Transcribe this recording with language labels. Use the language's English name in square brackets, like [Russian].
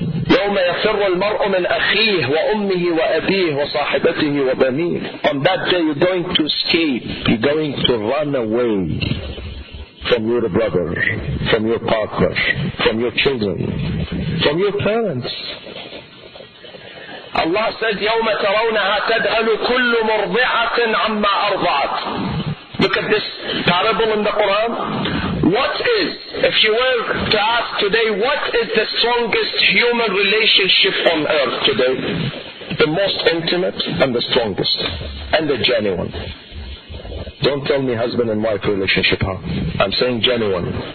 [Arabic] يَوْمَ يَفِرُّ الْمَرْءُ مِنْ أَخِيهِ وَأُمِّهِ وَأَبِيهِ وَصَاحِبَتِهِ وَبَنِيهِ. [English] On that day, you're going to escape. You're going to run away from your brother, from your partner, from your children, from your parents. Allah says, [Arabic] يَوْمَ تَرَوْنَهَا تَدْعَلُ كُلُّ مُرْضِعَةٍ عَمَّا أَرْضَعَتْ. [English] Look at this parable in the Quran. What is, if you were to ask today, what is the strongest human relationship on earth today? The most intimate and the strongest and the genuine. Don't tell me husband and wife relationship, huh? I'm saying genuine.